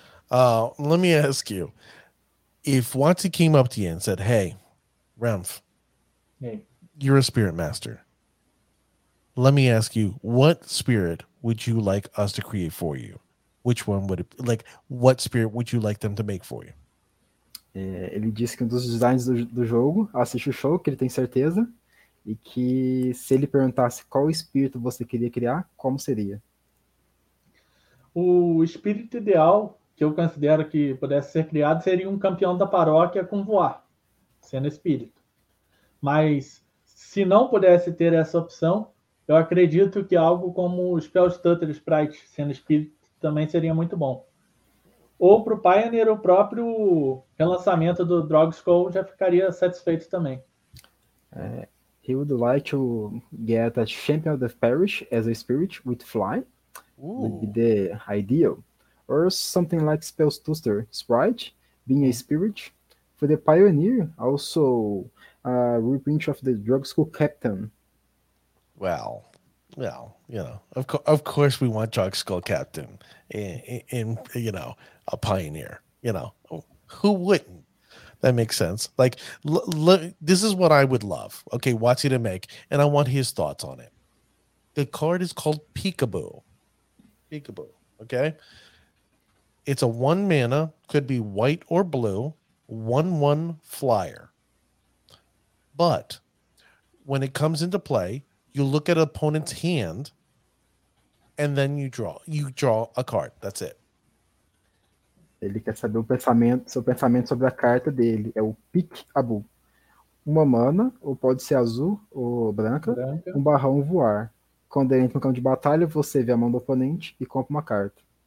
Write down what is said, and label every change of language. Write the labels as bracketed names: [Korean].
[English] Let me ask you, if Watsy came up to you and said, hey, Remf, hey, you're a spirit master. Let me ask you, what spirit would you like us to create for you? Which one would it, like, what spirit would you like them to make for you? [Portuguese] Ele disse que um dos designs do jogo, assiste o show, que ele tem certeza, e que se ele perguntasse qual espírito você queria criar, como seria? O espírito ideal que eu considero que pudesse ser criado seria um campeão da paróquia com voar, sendo espírito. Mas se não pudesse ter essa opção, eu acredito que algo como o Spellstutter Sprite sendo espírito também seria muito bom. Ou para o Pioneer, o próprio relançamento do Drogskull já ficaria satisfeito também. [English] He would like to get a Champion of the Parish as a spirit with fly. Ooh. Would be the ideal. Or something like Spellstutter Sprite, being a spirit. For the Pioneer, also a reprint of the Drogskull Captain. Well, you know, of course we want Drogskull Captain in you know, a Pioneer, you know, who wouldn't? That makes sense. Like, this is what I would love, okay, Watsy to make, and I want his thoughts on it. The card is called Peekaboo, okay? It's a one mana, could be white or blue, 1/1 flyer. But when it comes into play, you look at an opponent's hand, and then you draw a card. That's it. [Portuguese] Ele quer saber seu pensamento sobre a carta dele. É o Peekaboo. Uma mana, ou pode ser azul ou branca, 1/1 voar. Quando ele entra no campo de batalha, você vê a mão do oponente e compra uma carta.